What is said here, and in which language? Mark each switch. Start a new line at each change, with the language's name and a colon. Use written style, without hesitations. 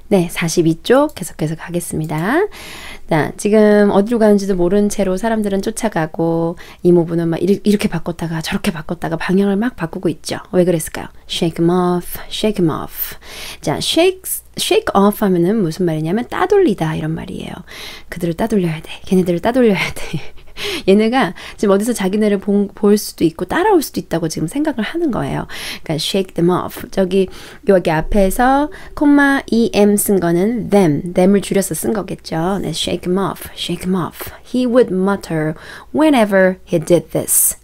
Korean: 네, 42쪽 계속해서 가겠습니다. 자, 지금 어디로 가는지도 모른 채로 사람들은 쫓아가고 이모부는 막 이렇게 바꿨다가 저렇게 바꿨다가 방향을 막 바꾸고 있죠. 왜 그랬을까요?
English: Shake 'em off, shake 'em off.
Korean: 자, shake off 하면은 무슨 말이냐면 따돌리다 이런 말이에요. 그들을 따돌려야 돼. 걔네들을 따돌려야 돼. 얘네가 지금 어디서 자기네를 볼 수도 있고 따라올 수도 있다고 지금 생각을 하는 거예요. 그러니까 shake them off. 저기 여기 앞에서 콤마 em 쓴 거는 them을 줄여서 쓴 거겠죠.
English: 네, shake them off, shake them off. He would mutter whenever he did this.